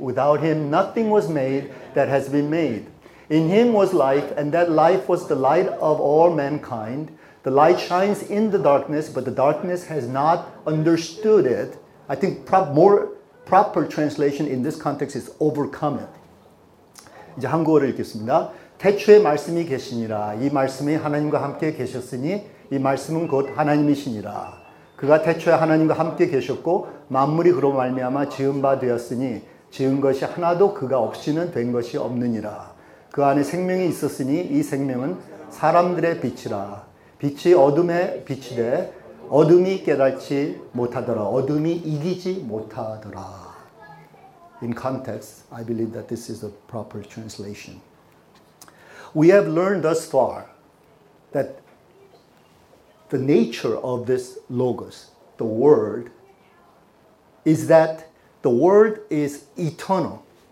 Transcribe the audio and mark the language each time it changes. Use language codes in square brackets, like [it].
[en] Without him nothing was made that has been made. In him was life, and that life was the light of all mankind. The light shines in the darkness, but the darkness has not understood it. I think more proper translation in this context is overcome it. [ko] 이제 한국어를 읽겠습니다. 태초에 말씀이 계시니라. 이 말씀이 하나님과 함께 계셨으니 이 말씀은 곧 하나님이시니라. 그가 태초에 하나님과 함께 계셨고 만물이 그로 말미암아 지은 바 되었으니 지은 것이 하나도 그가 없이는 된 것이 없느니라. 그 안에 생명이 있었으니 이 생명은 사람들의 빛이라. 빛이 어둠에 비치되 어둠이 깨닫지 못하더라. 어둠이 이기지 못하더라. [en] In context, I believe that this is a proper translation. We have learned thus far that the nature of this Logos, the Word, is that the Word is eternal.